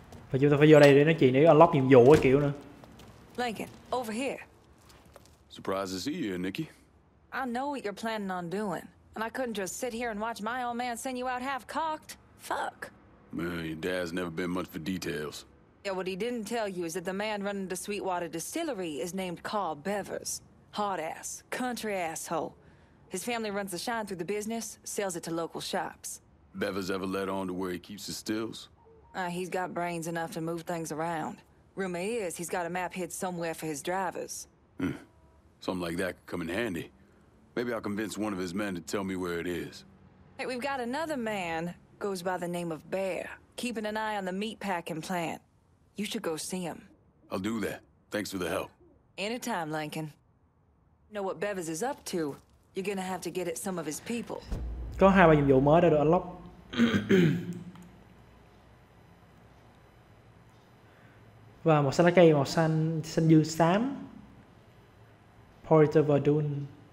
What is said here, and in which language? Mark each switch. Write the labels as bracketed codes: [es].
[vi] Và chúng ta phải vô đây để nói chuyện để unlock nhiệm vụ cái kiểu nữa. [en] Lincoln, over here. Surprised to see you, Nikki. I know what you're planning on doing, and I couldn't just sit here and watch my old man send you out half-cocked. Fuck. Man, your dad's never been much for details. Yeah, what he didn't tell you is that the man running the Sweetwater Distillery is named Carl Bevers. Hard-ass, country asshole. His family runs the shine through the business, sells it to local shops. Bevers ever let on to where he keeps his stills? He's got brains enough to move things around. Rumor is, he's got a map hid somewhere for his drivers. Hmm. Something like that could come in handy. Maybe I'll convince one of his men to tell me where it is. Hey, we've got another man, goes by the name of Bear, keeping an eye on the meatpacking plant. You should go see him. I'll do that. Thanks for the help. Anytime, Lincoln. Know what Bevers is up to? You're gonna have to get at some of his people. [vi] Có hai ba nhiệm vụ mới đã được unlock. Và màu xanh lá cây, màu xanh xanh dương xám. Port of Verdun.